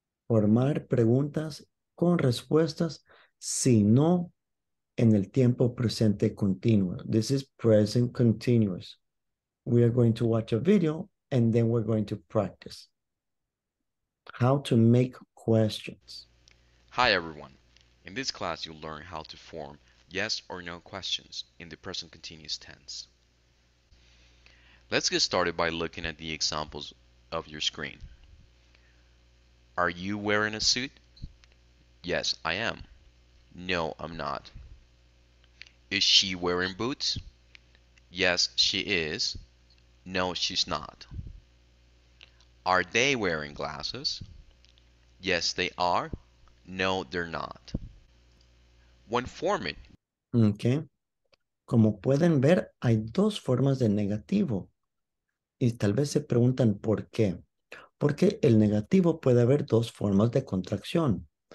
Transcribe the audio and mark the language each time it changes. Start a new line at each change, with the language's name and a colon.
Spanish: Formar preguntas con respuestas, si no en el tiempo presente continuo.
English: This is present continuous. We are going to watch a video and then we're going to practice. How to make questions. Hi, everyone. In this class, you'll learn how to form yes or no questions in the present continuous tense. Let's get started by looking at the examples of your screen. Are you wearing a suit? Yes, I am. No, I'm not. Is she wearing boots? Yes, she is. No, she's not. Are they wearing glasses? Yes, they are. No, they're not. When forming. Okay.
Spanish: Como pueden ver, hay dos formas de negativo. Y tal vez se preguntan por qué. Porque el negativo puede haber dos formas de contracción.